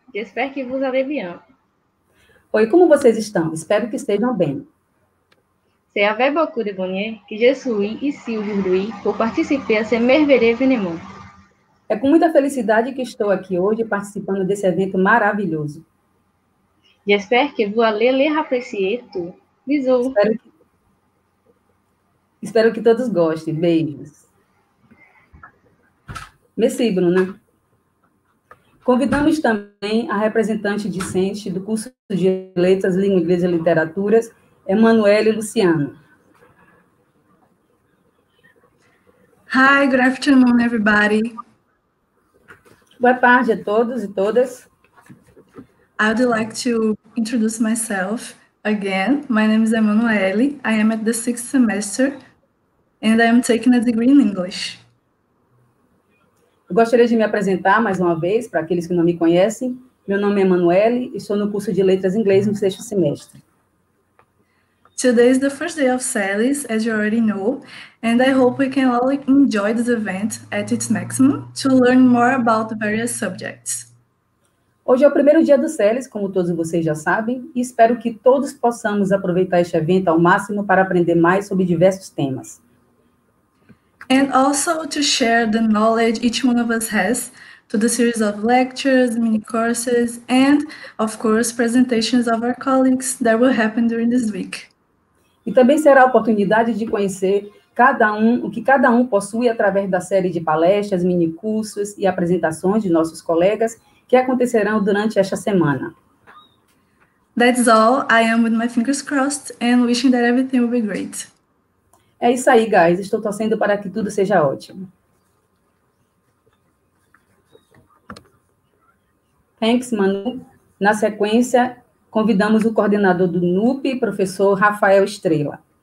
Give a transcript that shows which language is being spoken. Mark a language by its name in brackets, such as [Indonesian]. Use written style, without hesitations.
[French] J'espère que vous allez bien. [Portuguese] Oi, como vocês estão? Espero que estejam bem. [French] C'est avec beaucoup de bonheur que je suis ici aujourd'hui pour participer à ce merveilleux événement. [Portuguese] É com muita felicidade que estou aqui hoje participando desse evento maravilhoso. [French] J'espère que vous allez les apprécier tout. Bisous. [Portuguese] Espero que todos gostem. Beijos. [French] Merci, Bruna. [Portuguese] Convidamos também a representante discente do curso de Letras, Língua Inglesa e Literaturas, Emanuele Luciano. [English] Hi, good afternoon, everybody. [Portuguese] Boa tarde a todos e todas. [English] I'd like to introduce myself again. My name is Emanuele. I am at the sixth semester and I am taking a degree in English. [Portuguese] Eu gostaria de me apresentar mais uma vez para aqueles que não me conhecem. Meu nome é Emanuele e sou no curso de Letras Inglês no sexto semestre. [English] Today is the first day of Sally's, as you already know, and I hope we can all enjoy this event at its maximum to learn more about the various subjects. [Portuguese] Hoje é o primeiro dia do Sally's, como todos vocês já sabem, e espero que todos possamos aproveitar este evento ao máximo para aprender mais sobre diversos temas. [English] And also to share the knowledge each one of us has to the series of lectures, mini courses, and of course, presentations of our colleagues that will happen during this week. [Portuguese] E também será a oportunidade de conhecer cada um, o que cada um possui através da série de palestras, mini cursos e apresentações de nossos colegas que acontecerão durante esta semana. [English] That's all. I am with my fingers crossed and wishing that everything will be great. [Portuguese] É isso aí, guys. Estou torcendo para que tudo seja ótimo. Thanks, Manu. Na sequência, convidamos o coordenador do NUPE, professor Rafael Estrela.